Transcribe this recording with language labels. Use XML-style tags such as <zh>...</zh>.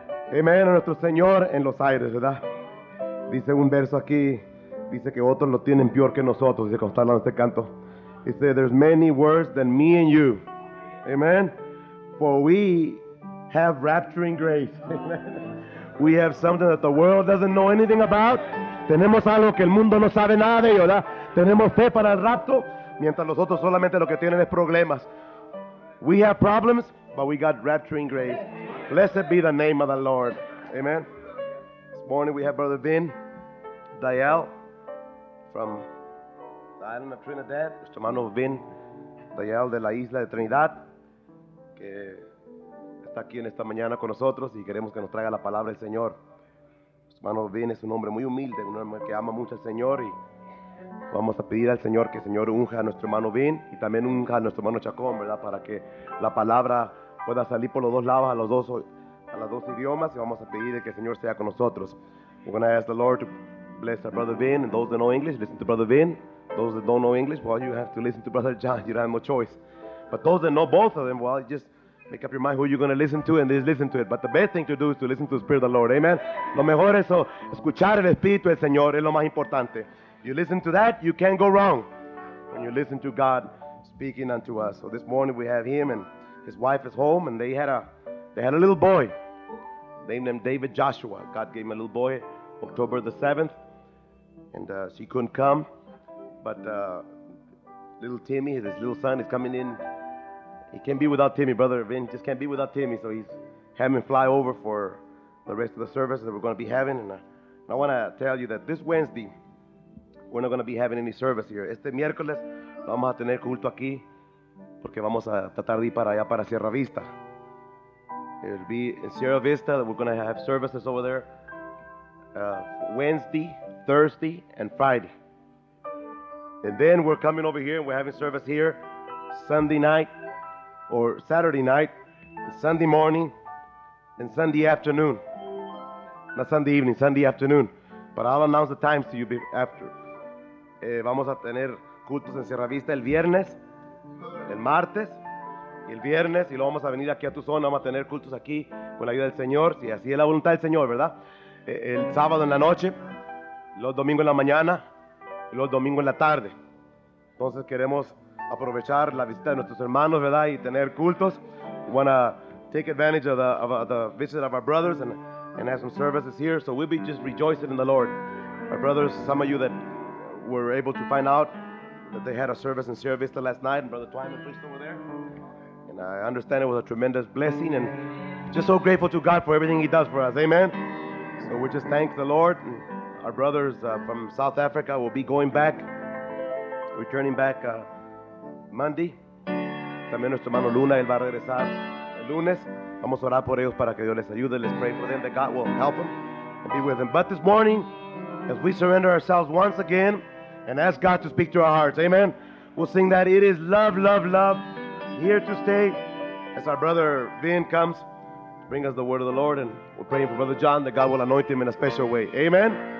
<es>Amen. A nuestro Señor en los aires, ¿verdad? Dice un verso aquí. Dice que otros lo tienen peor que nosotros. Dice, cuando está hablando este canto.</es> <en>Dice, there's many worse than me and you. Amen. For we have rapturing grace. Amen. We have something that the world doesn't know anything about.</en> <es>Tenemos algo que el mundo no sabe nada de, ¿verdad? Tenemos fe para el rapto. Mientras los otros solamente lo que tienen es problemas.</es> <en>We have problems, but we got rapturing grace. Blessed be the name of the Lord. Amen. This morning we have Brother Vin Dayal from the island of Trinidad.</en> <es>Nuestro hermano Vin Dayal de la isla de Trinidad, que está aquí en esta mañana con nosotros y queremos que nos traiga la palabra del Señor. Nuestro hermano Vin es un hombre muy humilde, un hombre que ama mucho al Señor, y vamos a pedir al Señor que el Señor unja a nuestro hermano Vin y también unja a nuestro hermano Chacón, ¿verdad? Para que la palabra pueda salir por los dos lados, a los dos idiomas, y vamos a pedir que el Señor sea con nosotros.</es> <en>We're going to ask the Lord to bless our brother Vin, and those that know English, listen to brother Vin. Those that don't know English, well, you have to listen to brother John. You don't have no choice. But those that know both of them, well, just make up your mind who you're going to listen to and just listen to it. But the best thing to do is to listen to the Spirit of the Lord. Amen.</en> <es>Lo mejor es escuchar el Espíritu del Señor. Es lo más importante.</es> <en>You listen to that, you can't go wrong. When you listen to God speaking unto us. So this morning we have him and his wife is home, and they had a little boy. Named him David Joshua. God gave him a little boy October the 7th. And she couldn't come. But little Timmy, his little son, is coming in. He can't be without Timmy. Brother Vin just can't be without Timmy. So he's having him fly over for the rest of the service that we're going to be having. And I want to tell you that this Wednesday, we're not going to be having any service here.</en> <es>Este miércoles vamos a tener culto aquí porque vamos a tratar de ir para allá para Sierra Vista.</es> <en>It'll be in Sierra Vista that we're going to have services over there Wednesday, Thursday, and Friday. And then we're coming over here and we're having service here Sunday night or Saturday night, Sunday morning, and Sunday afternoon. Not Sunday evening, Sunday afternoon. But I'll announce the times to you after.</en> <es>Vamos a tener cultos en Sierra Vista el viernes, el martes, y el viernes, y luego vamos a venir aquí a tu zona, vamos a tener cultos aquí con la ayuda del Señor, si así es la voluntad del Señor, ¿verdad? El sábado en la noche, los domingos en la mañana, y los domingos en la tarde. Entonces queremos aprovechar la visita de nuestros hermanos, ¿verdad? Y tener cultos.</es> <en>We want to take advantage of the visit of our brothers and have some services here, so we'll be just rejoicing in the Lord. Our brothers, some of you that were able to find out that they had a service in Sierra Vista last night, and Brother Twyman preached over there. I understand it was a tremendous blessing, and just so grateful to God for everything he does for us. Amen. So we just thank the Lord. And our brothers from South Africa will be going back, returning back Monday.</en> <es>También nuestro hermano Luna, él va a regresar el lunes. Vamos a orar por ellos para que Dios les ayude.</es> <en>Let's pray for them that God will help them and be with them. But this morning, as we surrender ourselves once again and ask God to speak to our hearts, amen, we'll sing that it is love, love, love. Here to stay, as our brother Vin comes to bring us the word of the Lord, and we're praying for brother John that God will anoint him in a special way. Amen.</en>